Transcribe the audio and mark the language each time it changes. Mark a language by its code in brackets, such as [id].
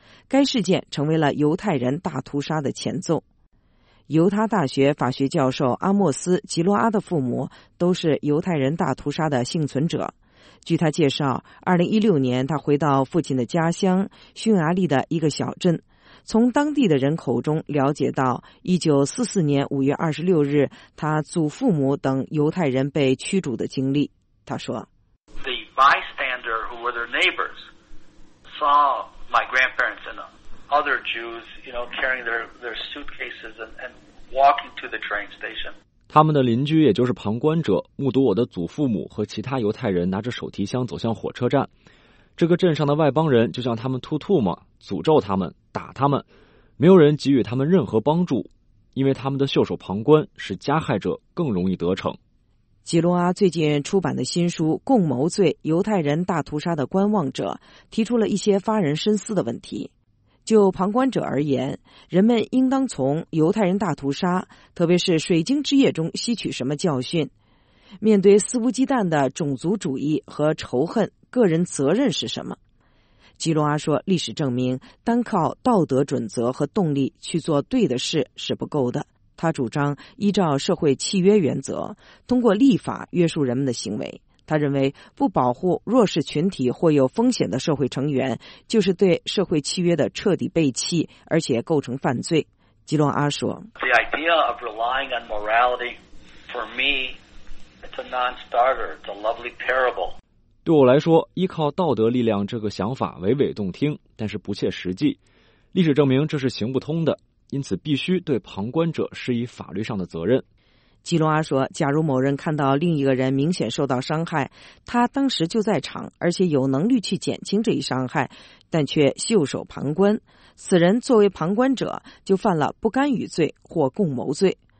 [zh] 该事件成为了犹太人大屠杀的前奏。犹他大学法学教授阿莫斯·吉洛阿的父母都是犹太人大屠杀的幸存者。据他介绍，2016年他回到父亲的家乡匈牙利的一个小镇，从当地的人口中了解到1944年5月26日他祖父母等犹太人被驱逐的经历。他说 [en] ：“The bystander who were their neighbors saw my grandparents and other Jews, you know, carrying their suitcases and walking to the train station.” [zh] 他们的邻居，也就是旁观者，目睹我的祖父母和其他犹太人拿着手提箱走向火车站。这个镇上的外邦人就像他们吐吐沫，诅咒他们，打他们，没有人给予他们任何帮助，因为他们的袖手旁观使加害者更容易得逞。吉罗阿最近出版的新书《共谋罪：犹太人大屠杀的观望者》提出了一些发人深思的问题。就旁观者而言，人们应当从犹太人大屠杀，特别是水晶之夜中吸取什么教训？面对肆无忌惮的种族主义和仇恨，个人责任是什么？吉罗阿说，历史证明，单靠道德准则和动力去做对的事是不够的。他主张依照社会契约原则，通过立法约束人们的行为。他认为，不保护弱势群体或有风险的社会成员，就是对社会契约的彻底背弃，而且构成犯罪。吉罗阿说 [en] ：“The idea of relying on morality, for me, it's a non-starter. It's a lovely parable.” [zh] 对我来说，依靠道德力量这个想法娓娓动听，但是不切实际。历史证明这是行不通的，因此必须对旁观者施以法律上的责任。吉隆阿说，假如某人看到另一个人明显受到伤害，他当时就在场，而且有能力去减轻这一伤害，但却袖手旁观，此人作为旁观者就犯了不干预罪或共谋罪。